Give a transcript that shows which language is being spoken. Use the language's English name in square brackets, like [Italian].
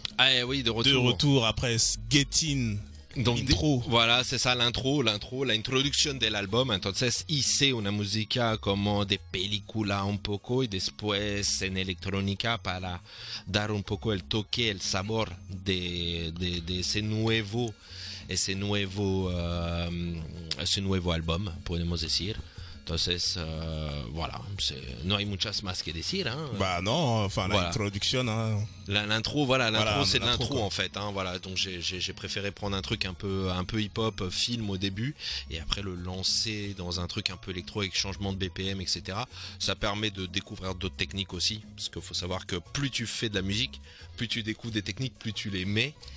[French] Eh oui, de retour après Get In. Donc, intro. Voilà, c'est ça l'intro, la introduction de l'album. [Spanish] Entonces hice una música como de película un poco y después en electrónica para dar un poco el toque, el sabor de ese nuevo album, podemos decir. Entonces, voilà, no hay muchas más que decir. [French] Hein. Bah non, enfin, l'introduction. Voilà. Hein. L'intro, c'est l'intro en fait. Hein, voilà, donc j'ai préféré prendre un truc un peu hip-hop, film au début, et après le lancer dans un truc un peu électro avec changement de BPM, etc. Ça permet de découvrir d'autres techniques aussi, parce qu'il faut savoir que plus tu fais de la musique, plus tu découvres des techniques, plus tu les mets.